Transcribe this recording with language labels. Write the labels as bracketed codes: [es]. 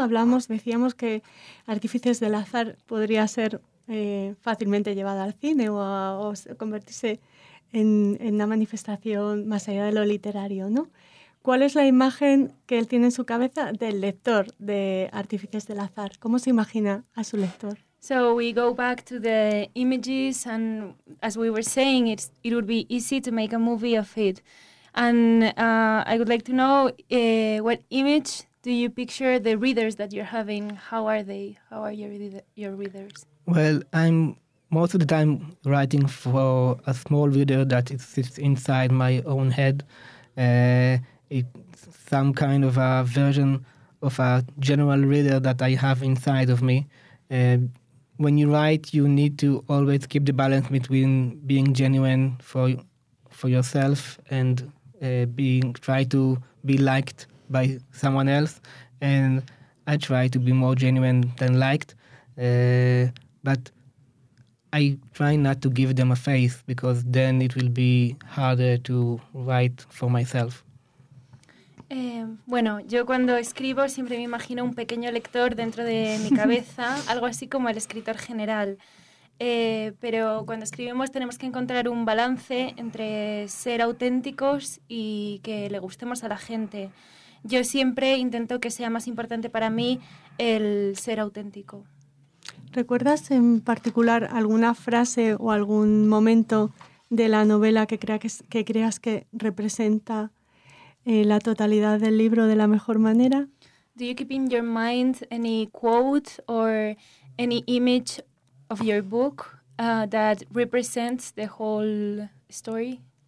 [es] Hablamos, decíamos que Artífices del Azar podría ser fácilmente llevada al cine o convertirse en una manifestación más allá de lo literario, ¿no? ¿Cuál es la imagen que él tiene en su cabeza del lector de Artífices del Azar? ¿Cómo se imagina a su lector? [en] So we go back to the images and as we were saying, it would be easy to make a movie of it. And I would like to know what image do you picture the readers that you're having? How are they? How are your readers? Well, I'm most of the time writing for a small reader that sits inside my own head. It's some kind of a version of a general reader that I have inside of me. When you write, you need to always keep the balance between being genuine for yourself and try to be liked by someone else. And I try to be more genuine than liked. But I try not to give them a face, because then it will be harder to write for myself. [es] Bueno, yo cuando escribo siempre me imagino un pequeño lector dentro de mi cabeza, algo así como el escritor general. Pero cuando escribimos tenemos que encontrar un balance entre ser auténticos y que le gustemos a la gente. Yo siempre intento que sea más importante para mí el ser auténtico. ¿Recuerdas en particular alguna frase o algún momento de la novela que creas que representa la totalidad del libro de la mejor manera? [en] Do you keep in your mind any quote or any image of your book that represents the whole story?